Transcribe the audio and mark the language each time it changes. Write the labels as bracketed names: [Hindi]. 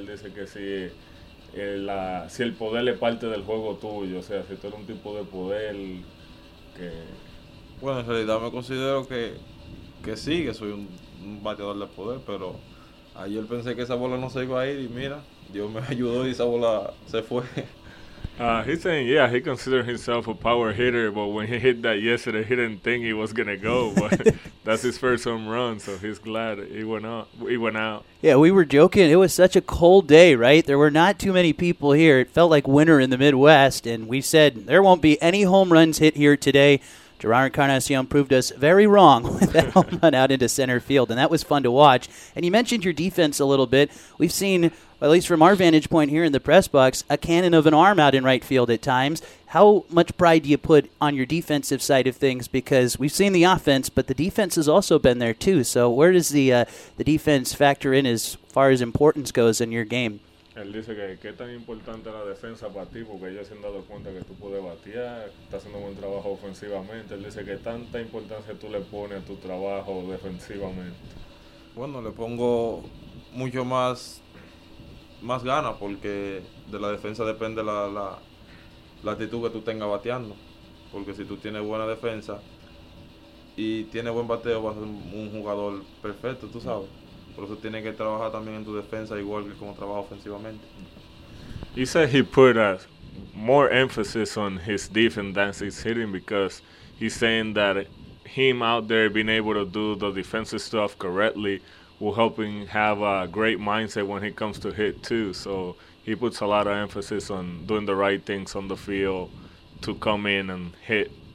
[Spanish] Él dice que si el poder es parte del juego tuyo, o sea, si tú eres un tipo de poder que... Bueno, en realidad me considero que sí, que soy un bateador de poder, pero ayer pensé que esa bola no se iba a ir y mira, Dios me ayudó y esa bola se fue. [English] He's saying, yeah, he considered himself a power hitter, but when he hit that yesterday, he didn't think he was going to go, but that's his first home run, so he's glad he went out. Yeah, we were joking. It was such a cold day, right? There were not too many people here. It felt like winter in the Midwest, and we said, there won't be any home runs hit here today. Gerard Encarnacion proved us very wrong with that home run out into center field, and that was fun to watch. And you mentioned your defense a little bit. We've seen, at least from our vantage point here in the press box, a cannon of an arm out in right field at times. How much pride do you put on your defensive side of things? Because we've seen the offense, but the defense has also been there too. So where does the defense factor in as far as importance goes in your game? [Spanish] Él dice que es tan importante la defensa para ti, porque ellos se han dado cuenta que tú puedes batear, estás haciendo un buen trabajo ofensivamente. Él dice que tanta importancia tú le pones a tu trabajo defensivamente. Bueno, le pongo mucho más ganas, porque de la defensa depende la actitud que tú tengas bateando. Porque si tú tienes buena defensa y tienes buen bateo, vas a ser un jugador perfecto, tú sabes. Por eso tiene que trabajar también en tu defensa igual que como trabaja ofensivamente. [English] He said he put more emphasis on his defense than his hitting because he's saying that him out there being able to do the defensive stuff correctly will help him have a great mindset when he comes to hit too. So he puts a lot of emphasis on doing the right things on the field to come in and hit.